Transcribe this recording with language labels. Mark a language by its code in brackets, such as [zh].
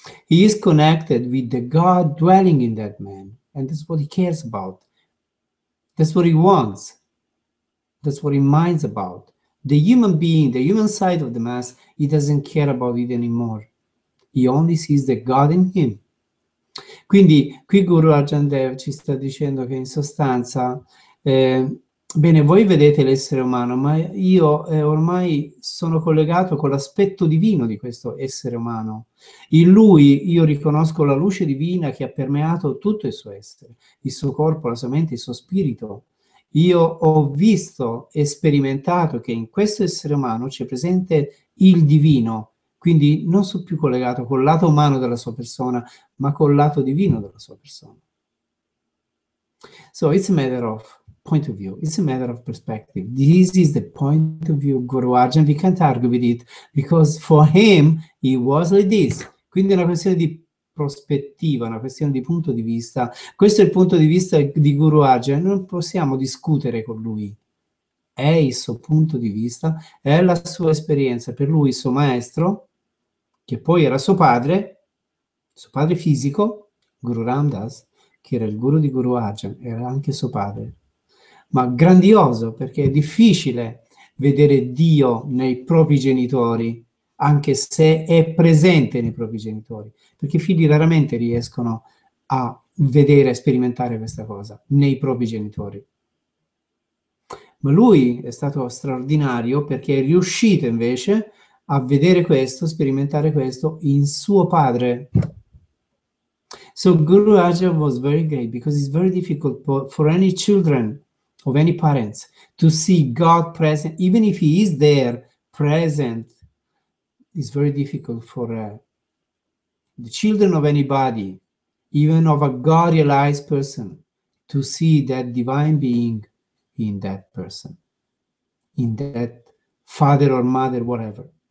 [en] He is connected with the God dwelling in that man. And that's what he cares about. That's what he wants. That's what he minds about. The human being, the human side of the mass, he doesn't care about it anymore. He only sees the God in him. [it] Quindi, qui Guru Arjan Dev ci sta dicendo che in sostanza, bene, voi vedete l'essere umano, ma io ormai sono collegato con l'aspetto divino di questo essere umano. In lui io riconosco la luce divina che ha permeato tutto il suo essere, il suo corpo, la sua mente, il suo spirito. Io ho visto e sperimentato che in questo essere umano c'è presente il divino, quindi non sono più collegato col lato umano della sua persona, ma col lato divino della sua persona. [en] So it's a matter of point of view, it's a matter of perspective. This is the point of view of Guru Arjan. We can't argue with it because for him it was like this. [it] Quindi è una questione di prospettiva, una questione di punto di vista. Questo è il punto di vista di Guru Arjan. Non possiamo discutere con lui. È il suo punto di vista, è la sua esperienza. Per lui, il suo maestro, che poi era suo padre fisico, Guru Ramdas, che era il guru di Guru Arjan, era anche suo padre. Ma grandioso, perché è difficile vedere Dio nei propri genitori, anche se è presente nei propri genitori, perché i figli raramente riescono a vedere, a sperimentare questa cosa nei propri genitori. Ma lui è stato straordinario perché è riuscito invece a vedere questo, sperimentare questo in suo padre. [en] So Guru Arjan was very great because it's very difficult for any children of any parents to see God present, even if he is there present, is very difficult for the children of anybody, even of a God realized person, to see that divine being in that person, in that father or mother, whatever.